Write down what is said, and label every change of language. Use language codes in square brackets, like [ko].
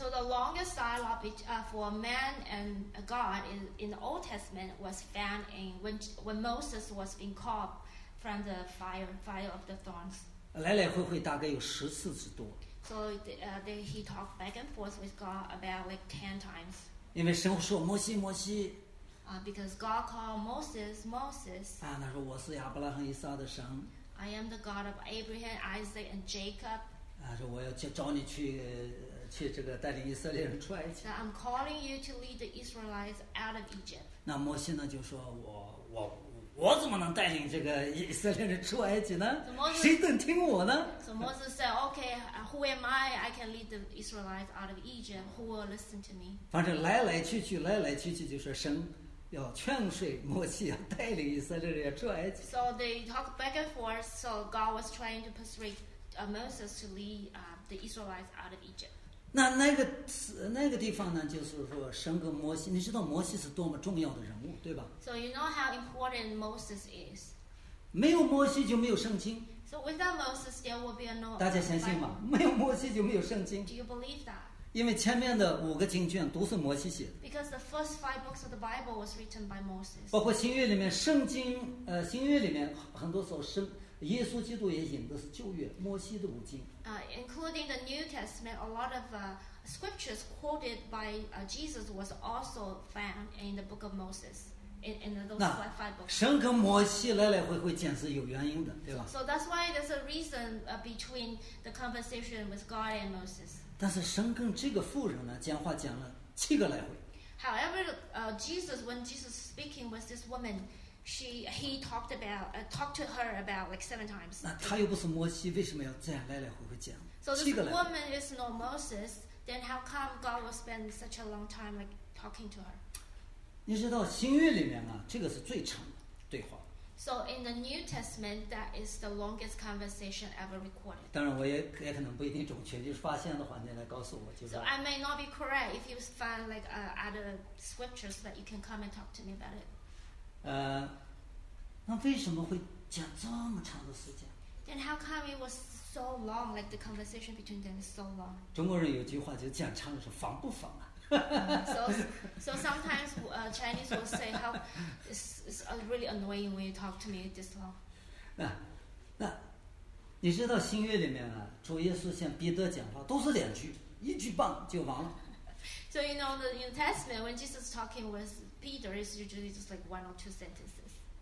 [en] So the longest dialogue for man and God in the Old Testament was found in when Moses was being called from the fire of the thorns. [zh] 来来回回大概有十次之多。 [en] So he talked back and forth with God about like 10 times. [zh] 因为神说摩西摩西。 [en] Because God called Moses Moses. [zh] 他说我是亚伯拉罕以撒的神。 [en] I am the God of Abraham, Isaac, and Jacob. [zh] 说我要找你去这个带领以色列人出埃及。 [en] I'm calling you to lead the Israelites out of Egypt. [zh] 那摩西呢就说我怎么能带领这个以色列人出埃及呢？ [en] So、Moses, [zh] 谁能听我呢 [en] ？So Moses said, "Okay, who am I? I can lead the Israelites out of Egypt. Who will listen to me?" [zh] 反正来来去去，来来去去，就是神要劝说摩西要带领以色列人出埃及。 [en] So they talked back and forth. So God was trying to persuade Moses to lead the Israelites out of Egypt. [zh] 那个地方呢，就是说神跟摩西，你知道摩西是多么重要的人物，对吧 [en] ？So you know how important Moses is. [zh] 没有摩西就没有圣经。 [en] So without Moses, there will be no. [zh] 大家相信吗？没有摩西就没有圣经。 [en] Do you believe that? [zh] 因为前面的五个经卷都是摩西写的。 [en] Because the first five books of the Bible was written by Moses. [zh] 包括新约里面圣经，新约里面很多时候圣。耶稣基督也引的是旧约摩西的五经。 [en] Including the New Testament, a lot of scriptures quoted by Jesus was also found in the book of Moses, in those five books. [zh] 神跟摩西来来回回见是有原因的，对吧？ [en] So that's why there's a reason between the conversation with God and Moses. [zh] 但是神跟这个妇人呢，讲话讲了七个来回。 [en] However, Jesus, when Jesus was speaking with this woman, he talked to her about seven times. [zh] 那他又不是摩西，为什么要这样来来回回讲？ [en] So this woman is not Moses. Then how come God will spend such a long time like talking to her? [zh] 你知道新约里面啊，这个是最长的对话。 [en] So in the New Testament, that is the longest conversation ever recorded. [zh] 当然，我也可能不一定准确，就是发现的话，你来告诉我就。 [en] So I may not be correct. If you find like other scriptures, that you can come and talk to me about it. [zh] 那为什么会讲这么长的时间？ [en] Then how come it was so long? Like the conversation between them is so long. [zh] 中国人有句话，就讲长的时候防不防啊？ [en] So sometimes Chinese will say how it's really annoying when you talk to me this long. [zh] 那你知道新约里面啊，主耶稣向彼得讲话都是两句，一句棒就完了。 [en] So you know the New Testament when Jesus is talking with Peter is usually just like one or two sentences.